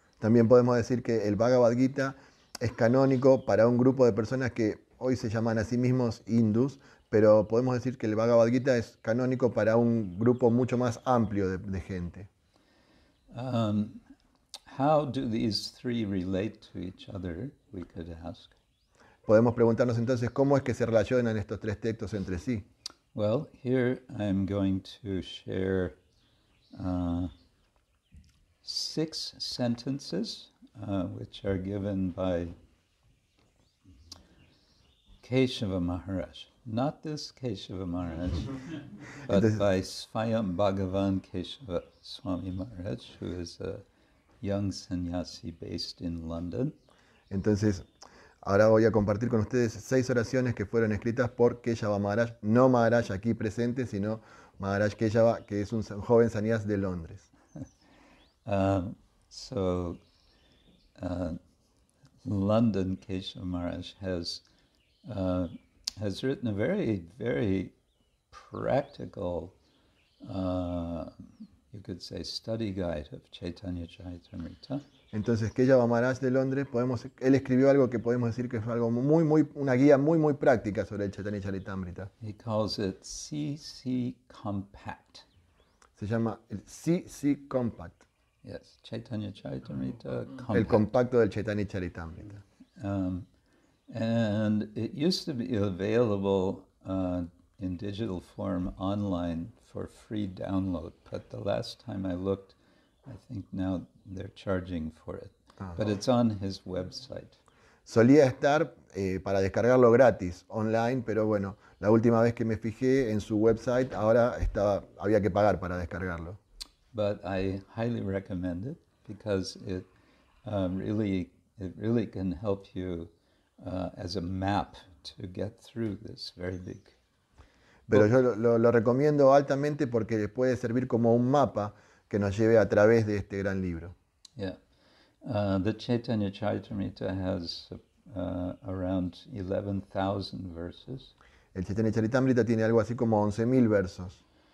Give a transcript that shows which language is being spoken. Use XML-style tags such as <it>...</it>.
<es>También podemos decir que el Bhagavad Gita es canónico para un grupo de personas que hoy se llaman a sí mismos hindús, pero podemos decir que el Bhagavad Gita es canónico para un grupo mucho más amplio de gente.</es> <en>How do these three relate to each other, we could ask.</en> <es>Podemos preguntarnos entonces cómo es que se relacionan estos tres textos entre sí.</es> <en>Well, here I'm going to share six sentences which are given by Keshava Maharaj. Not this Keshava Maharaj, but by Svayam Bhagavan Keshava Swami Maharaj, who is a young sannyasi based in London.</en> <es>Entonces, ahora voy a compartir con ustedes seis oraciones que fueron escritas por Keshava Maharaj, no Maharaj aquí presente, sino Maharaj Keshava, que es un joven sannyasi de Londres.</es> <en>London Keshava Maharaj has written a very, very practical, you could say, study guide of Chaitanya Charitamrita.</en> <es>Entonces, Keshava Maharaj de Londres, él escribió algo que podemos decir que fue algo muy, muy, una guía muy, muy práctica sobre el Chaitanya Charitamrita.</es> <en>He calls it CC Compact.</en> <es>Se llama el CC Compact.</es> <en>Yes, Chaitanya Charitamrita.</en> <es>El compacto del Chaitanya Charitamrita.</es> <en>And it used to be available in digital form online for free download. But the last time I looked, I think now they're charging for it. But it's on his website.</en> <es>Solía estar para descargarlo gratis online, pero bueno, la última vez que me fijé en su website, ahora había que pagar para descargarlo.</es> <en>But I highly recommend it because it really can help you as a map to get through this very big.</en> <es>Pero yo lo recomiendo altamente porque les puede servir como un mapa que nos lleve a través de este gran libro.</es> <en>Yeah, the Chaitanya Charitamrita has around 11,000 verses.</en> <es>El Chaitanya Charitamrita tiene algo así como 11,000 versos.</es>